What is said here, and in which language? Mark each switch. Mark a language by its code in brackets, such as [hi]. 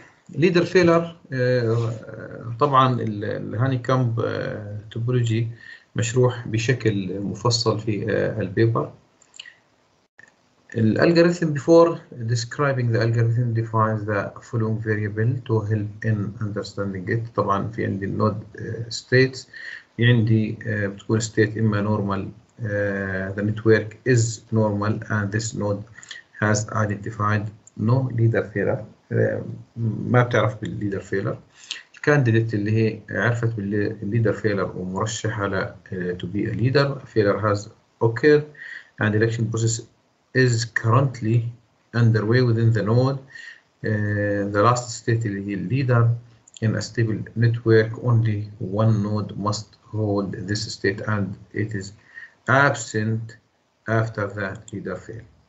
[ar] ليدر فيلر طبعا الهانيكامب توبولوجي مشروح بشكل مفصل في البيبر. [en] الالجوريثم before describing the algorithm defines the following variable to help in understanding it. [ar] طبعا في عندي النود ستيتس عندي بتكون ستيت اما نورمال [en] the network is normal and this node has identified no leader failure. [ar] ما بتعرف بالليدر فيلر. الكانديديت اللي هي عرفت بالليدر فيلر ومرشحة ل [en] to be a leader. Failure has occurred and election process is currently underway within the node. The last state [ar] اللي هي [en] leader in a stable network only one node must hold this state and it is absent after the leader fail.